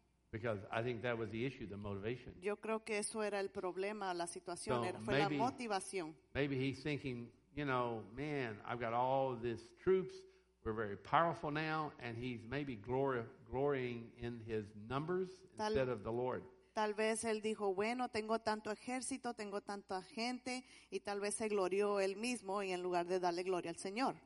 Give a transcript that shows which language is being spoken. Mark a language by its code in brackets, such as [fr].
[en] because I think that was the issue, the motivation. [es] Yo creo que eso era el problema, la situación, fue la motivación. [en] Maybe he's thinking, you know, man, I've got all of these troops, we're very powerful now, and he's maybe glorying in his numbers instead of the Lord. [es] Tal vez él dijo, bueno, tengo tanto ejército, tengo tanta gente, y tal vez se glorió él mismo y en lugar de darle gloria al Señor.